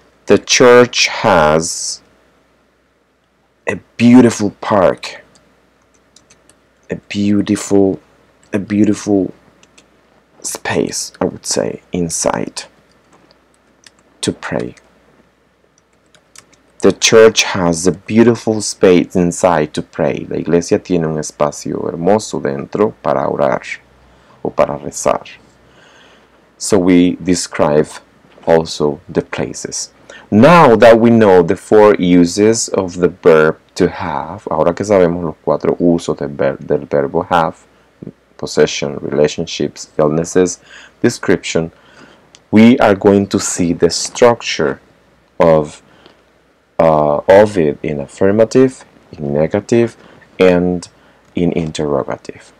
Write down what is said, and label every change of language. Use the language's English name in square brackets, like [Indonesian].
[English] The church has a beautiful park. A beautiful space, I would say, inside to pray. The church has a beautiful space inside to pray. [Spanish] La iglesia tiene un espacio hermoso dentro para orar o para rezar. [English] So we describe also the places. Now that we know the 4 uses of the verb to have, [Spanish] ahora que sabemos los 4 usos del verbo [English] have, possession, relationships, illnesses, description, we are going to see the structure of it in affirmative, in negative, and in interrogative.